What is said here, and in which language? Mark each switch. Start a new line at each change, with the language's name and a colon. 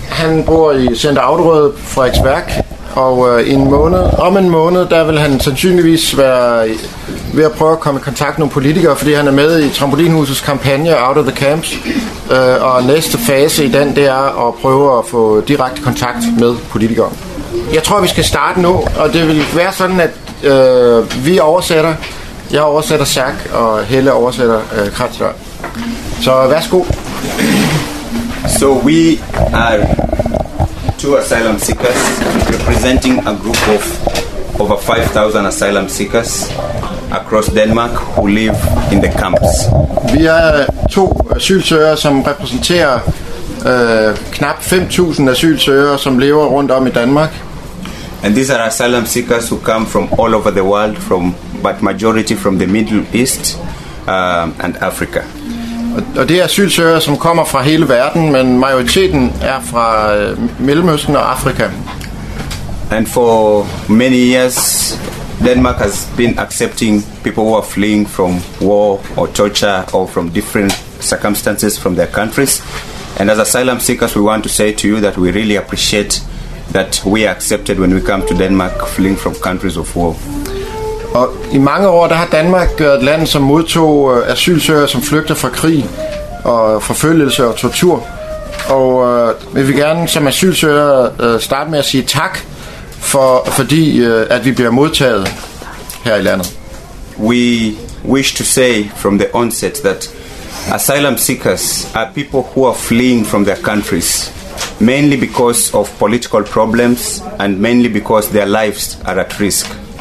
Danish: Han bor i Center Auderød, Frederiksberg, og om en måned, der vil han sandsynligvis være ved at prøve at komme i kontakt med nogle politikere, fordi han er med i Trampolinhusets kampagne Out of the Camps, og næste fase i den, det er at prøve at få direkte kontakt med politikere. Jeg tror, vi skal starte nu, og det vil være sådan, at vi oversætter. Jeg oversætter Zach, og Helle oversætter Kratzler. Så værsgo.
English: So we are two asylum seekers representing a group of over 5,000 asylum seekers across Denmark who live in the camps.
Danish: Vi er to asylsøgere, som repræsenterer knap 5,000 asylsøgere, som lever rundt om i Danmark.
English: And these are asylum seekers who come from all over the world, but majority from the Middle East and Africa.
Danish: Og det er asylsøgere, som kommer fra hele verden, men majoriteten er fra Mellemøsten og Afrika.
English: And for many years, Denmark has been accepting people who are fleeing from war or torture or from different circumstances from their countries. And as asylum seekers, we want to say to you that we really appreciate that we are accepted when we come to Denmark fleeing from countries of war.
Danish: Og i mange år, der har Danmark været land, som modtog asylsøgere, som flygter fra krig og forfølgelse og tortur. Og vil vi gerne som asylsøgere starte med at sige tak, fordi at vi bliver modtaget her i landet.
English: We wish to say from the onset that asylum seekers are people who are fleeing from their countries, mainly because of political problems and mainly because their lives are at risk.